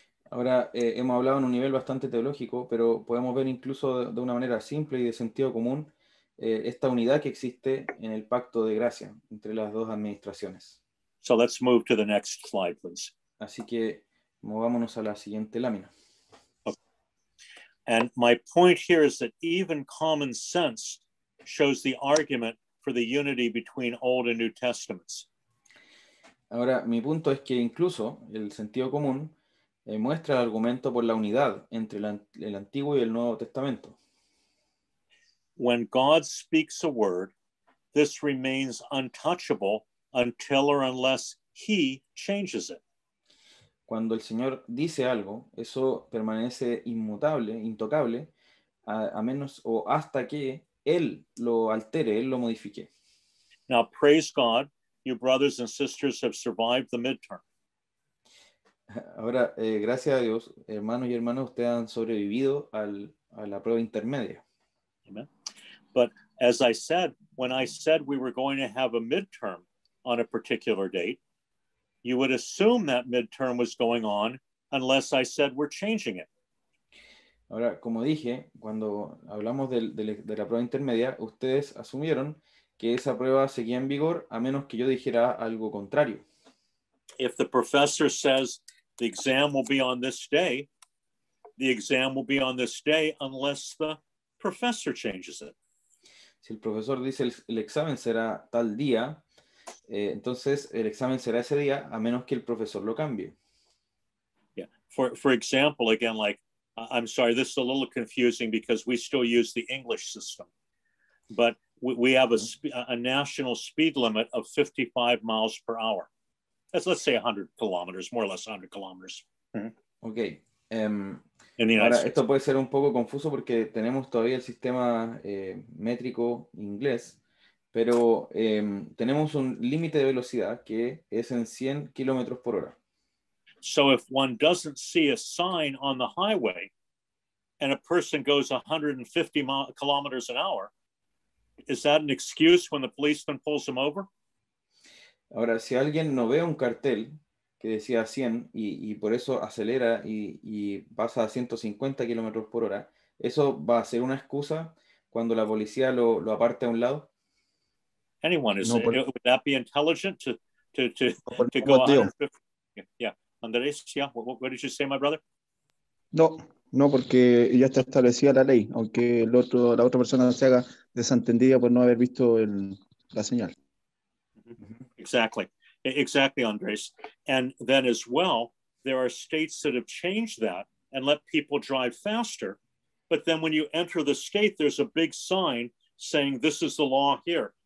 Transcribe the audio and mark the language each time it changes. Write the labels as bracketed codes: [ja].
[es] Ahora, hemos hablado en un nivel bastante teológico, pero podemos ver incluso de una manera simple y de sentido común esta unidad que existe en el pacto de gracia entre las dos administraciones. [en] So let's move to the next slide, please. [es] Así que movámonos a la siguiente lámina. Okay. [en] And my point here is that even common sense shows the argument for the unity between Old and New Testaments. [es] Ahora, mi punto es que incluso el sentido común muestra el argumento por la unidad entre el Antiguo y el Nuevo Testamento. [en] When God speaks a word, this remains untouchable until or unless he changes it. [es] Cuando el Señor dice algo, eso permanece inmutable, intocable, a menos o hasta que él lo altere, él lo modifique. [en] Now praise God, you brothers and sisters have survived the midterm. [es] Ahora, gracias a Dios, hermanos y hermanas, ustedes han sobrevivido a la prueba intermedia. [en] Amen. But as I said, when I said we were going to have a midterm on a particular date, you would assume that midterm was going on unless I said we're changing it. [es] Ahora, como dije, cuando hablamos de la prueba intermedia, ustedes asumieron que esa prueba seguía en vigor a menos que yo dijera algo contrario. [en] If the professor says the exam will be on this day, the exam will be on this day unless the professor changes it. [es] Si el profesor dice el examen será tal día, entonces el examen será ese día a menos que el profesor lo cambie. [en] Yeah. For example, again, like, I'm sorry, this is a little confusing because we still use the English system, but we have a national speed limit of 55 miles per hour. Let's say 100 kilometers, more or less 100 kilometers. Mm-hmm. Okay. [es] Ahora, esto puede ser un poco confuso porque tenemos todavía el sistema métrico inglés, pero tenemos un límite de velocidad que es en 100 kilómetros por hora. [en] So if one doesn't see a sign on the highway and a person goes 150 kilometers an hour, is that an excuse when the policeman pulls them over? [es] Ahora, si alguien no ve un cartel que decía 100 y por eso acelera y pasa a 150 kilómetros por hora, ¿eso va a ser una excusa cuando la policía lo aparte a un lado? [en] Anyone is, [es] no, por... [en] would that be intelligent to go 150? Yeah, Andrés, yeah. What did you say, my brother? [es] No, porque ya está establecida la ley, aunque la otra persona se haga desentendida por no haber visto la señal. [en] Exactly, Andres. And then as well, there are states that have changed that and let people drive faster. But then when you enter the state, there's a big sign saying this is the law here.